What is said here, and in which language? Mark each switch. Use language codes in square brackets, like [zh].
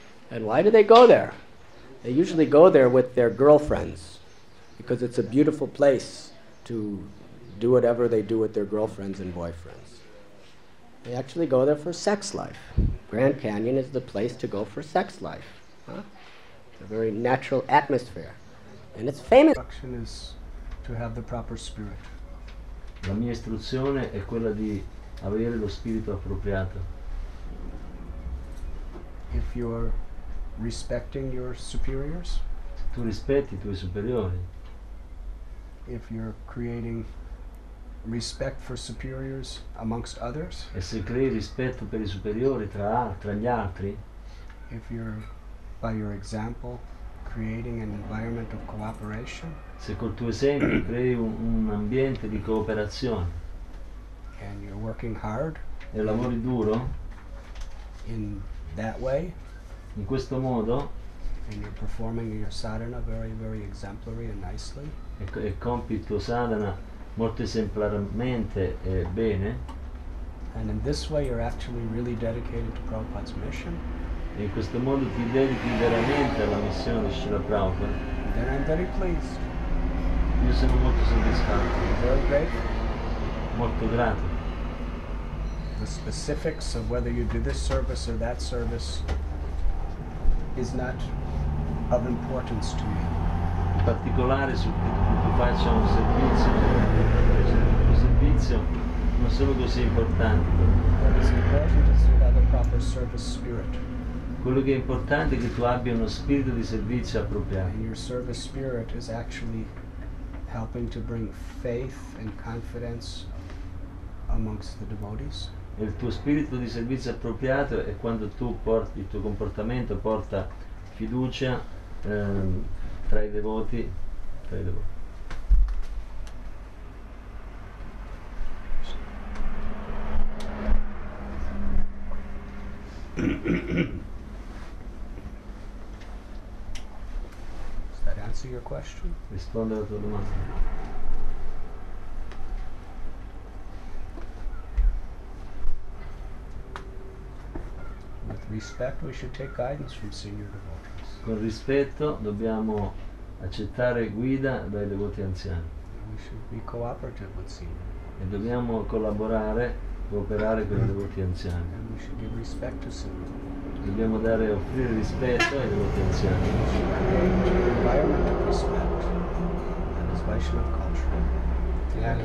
[en] And why do they go there? They usually go there with their girlfriends because it's a beautiful place to do whatever they do with their girlfriends and boyfriends. They actually go there for sex life. Grand Canyon is the place to go for sex life. Huh? It's a very natural atmosphere. And it's famous. The instruction is to have the proper spirit. [it] La mia istruzione è quella di avere lo spirito appropriato. [en] If you're respecting your superiors. [it] Tu rispetti i tuoi superiori. [en] If you're creating respect for superiors amongst others. [it] E se crei rispetto per i superiori tra gli altri. [en] If you're, by your example, creating an environment of cooperation. [it] Se col tuo esempio crei un ambiente di cooperazione. [en] And you're working hard. [it] E lavori duro. [en] In that way. [it] In questo modo, [en] and you're performing your sadhana very, very exemplary and nicely. [it] E compi il tuo sadhana molto esemplarmente e bene. [en] And in this way, you're actually really dedicated to Prabhupada's mission. [it] E in questo modo ti dedichi veramente alla missione di Srila Prabhupada. [en] Then I'm very pleased. [it] Io sono molto soddisfatto. [en] I'm very grateful. [it] Molto grato. [en] The specifics of whether you do this service or that service is not of importance to me. [it] In particolare su cui faccio un servizio, questo servizio non sono così importanti. [en] What is important is to have a proper service spirit. [it] Quello che è importante è che tu abbia uno spirito di servizio appropriato. [en] And your service spirit is actually helping to bring faith and confidence amongst the devotees. [it] E il tuo spirito di servizio appropriato è quando tu porti, il tuo comportamento porta fiducia tra i devoti. [en] Does that answer your question? [it] Risponde alla tua domanda. [en] With respect, we should take guidance from senior devotees. [it] Con rispetto, dobbiamo accettare guida dai devoti anziani. [en] We should be cooperative with senior. [it] E dobbiamo collaborare, cooperare con i devoti anziani. [en] And we should give respect to senior. [it] Dobbiamo dare e offrire rispetto ai devoti anziani. [en] We should create an environment of respect and expression of culture.